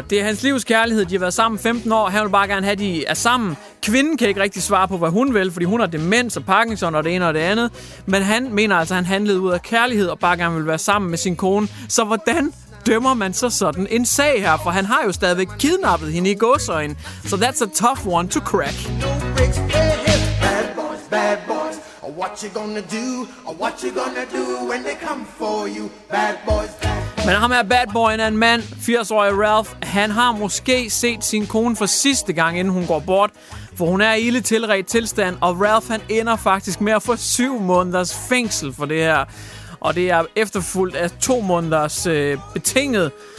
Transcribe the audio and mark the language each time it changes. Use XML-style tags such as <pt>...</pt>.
<da>Det er hans livs kærlighed, de har været sammen 15 år, han vil bare gerne have, de er sammen. Kvinden kan ikke rigtig svare på, hvad hun vil, fordi hun har demens og Parkinson og det ene og det andet. Men han mener altså, at han handlede ud af kærlighed og bare gerne vil være sammen med sin kone. Så hvordan dømmer man så sådan en sag her? For han har jo stadigvæk kidnappet hende i gåsøjen. Så</da> <en>that's a tough one to crack. Bad boys, bad boys. What you gonna do? What you gonna do when they come for you? Bad boys, bad boys.</en> <da>Men ham er bad boyen af en mand, 80-årig Ralph. Han har måske set sin kone for sidste gang, inden hun går bort. For hun er i ilde tilredt tilstand, og Ralph han ender faktisk med at få 7 måneders fængsel for det her. Og det er efterfulgt af 2 måneders betinget.</da>